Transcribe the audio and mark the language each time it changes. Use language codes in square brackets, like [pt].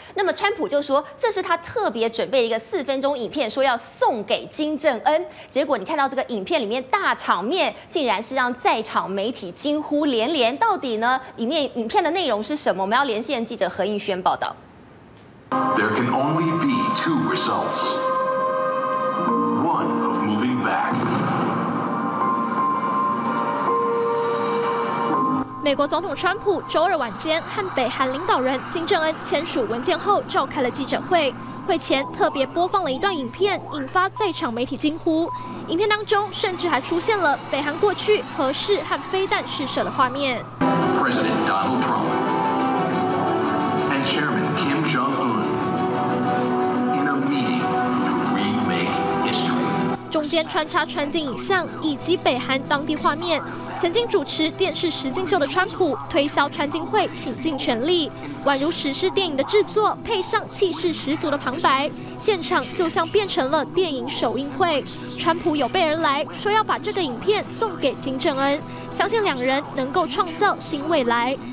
[zh] 那么川普就说这是他特别准备一个4分钟影片，说要送给金正恩，结果你看到这个影片里面大场面竟然是让在场媒体惊呼连连。到底呢里面影片的内容是什么？我们要连线记者何应轩报道。 [en] There can only be two results. One of moving back. [zh] 美国总统川普周二晚间和北韩领导人金正恩签署文件后召开了记者会，会前特别播放了一段影片，引发在场媒体惊呼。影片当中甚至还出现了北韩过去核试和飞弹试射的画面。 [en] President Donald Trump and Chairman Kim Jong-un in a meeting to remake history. [zh] 中间穿插川金影像以及北韩当地画面。曾经主持电视实境秀的川普推销川金会倾尽全力，宛如史诗电影的制作，配上气势十足的旁白，现场就像变成了电影首映会。川普有备而来，说要把这个影片送给金正恩，相信两人能够创造新未来。